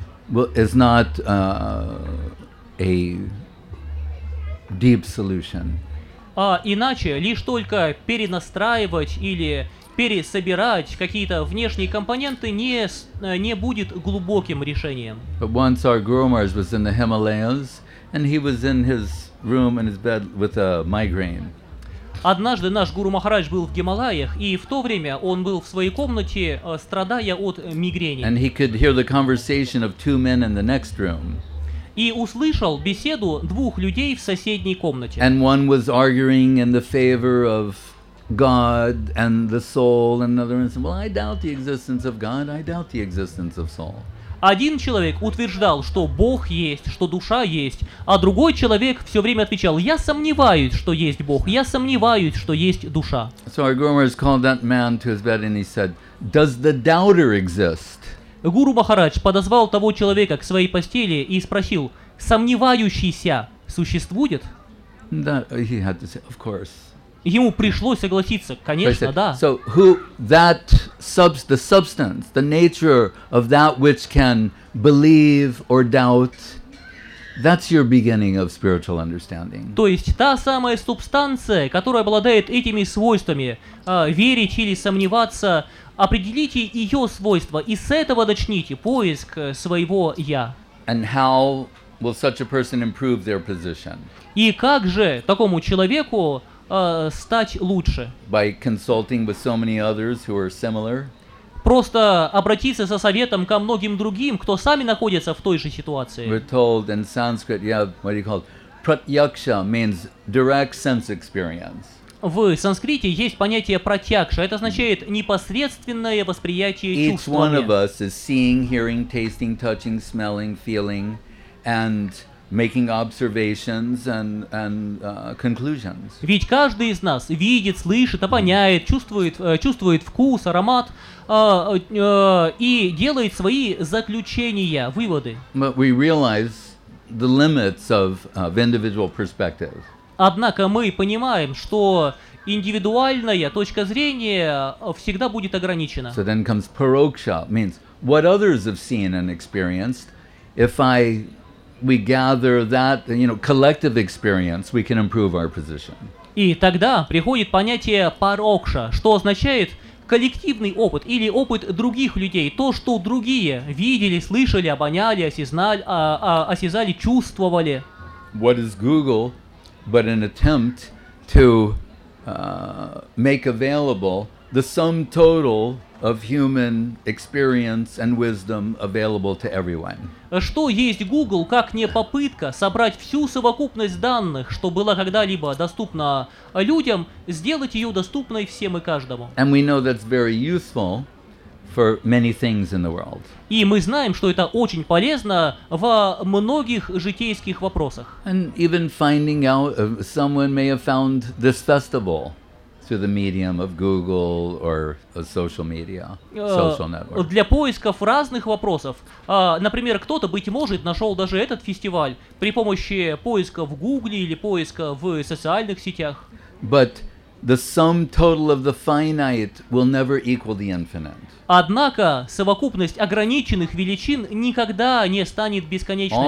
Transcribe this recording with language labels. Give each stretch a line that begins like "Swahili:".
English: Well, it's not a deep solution.
Russian: Иначе лишь только перенастраивать или пересобирать какие-то внешние компоненты не будет глубоким решением.
English: But once our Guru Maharaj was in the Himalayas, and he was in his room in his bed with a migraine.
Russian: Однажды наш гуру Махарадж был в Гималаях, и в то время он был в своей комнате, страдая от мигрени.
English: And he could hear the conversation of two men in the next room.
Russian: И услышал беседу двух людей в соседней комнате.
English: And one was arguing in the favor of God and the soul, and another one said, "Well, I doubt the existence of God. I doubt the existence of soul."
Russian: Один человек утверждал, что Бог есть, что душа есть, а другой человек все время отвечал: «Я сомневаюсь, что есть Бог, я сомневаюсь, что есть душа».
English: So our Guru Maharaj called that man to his bed and he said, "Does the doubter exist?"
Russian: Гуру Махарадж подозвал того человека к своей постели и спросил: «Сомневающийся существует?»
English: That he had to say, of course.
Russian: Ему пришлось согласиться: «Конечно,
English: so said,
Russian: да».
English: So who that the substance, the nature of that which can believe or doubt, that's your beginning of spiritual understanding.
Russian: То есть та самая субстанция, которая обладает этими свойствами, верить или сомневаться, определите ее свойства и с этого начните поиск своего «я».
English: And how will such a person improve their position?
Russian: И как же такому человеку стать лучше?
English: By consulting with so many others who are similar.
Russian: Просто обратиться со советом ко многим другим, кто сами находится в той же ситуации.
English: We're told in Sanskrit, yeah, what do you call it? Pratyaksha means direct sense experience.
Russian: В санскрите есть понятие «пратьякша». Это означает непосредственное восприятие чувствами.
English: Each one of us is seeing, hearing, tasting, touching, smelling, feeling, and making observations and conclusions.
Russian: Ведь каждый из нас видит, слышит, обоняет, чувствует вкус, аромат, и делает свои заключения, выводы.
English: But we realize the limits of individual perspective.
Russian: Однако мы понимаем, что индивидуальная точка зрения всегда будет ограничена.
English: So then comes paroksha, means what others have seen and experienced. If we gather that, you know, collective experience, we can improve our position.
Russian: И тогда приходит понятие парокша, что означает коллективный опыт или опыт других людей, то, что другие видели, слышали, обоняли, осязали, чувствовали.
English: What is Google? But an attempt to make available the sum total of human experience and wisdom available to everyone.
Russian: Что есть Google, как не попытка собрать всю совокупность данных, что была когда-либо доступна людям, сделать ее доступной всем и каждому.
English: And we know that's very useful for many things in the world.
Russian: И мы знаем, что это очень полезно во многих житейских вопросах.
English: And even finding out someone may have found this festival through the medium of Google or social media, social network.
Russian: Для поисков разных вопросов, например, кто-то, быть может, нашел даже этот фестиваль при помощи поиска в Гугле или поиска в социальных сетях.
English: But the sum total of the finite will never equal the infinite.
Russian: Однако совокупность ограниченных величин никогда не станет бесконечностью.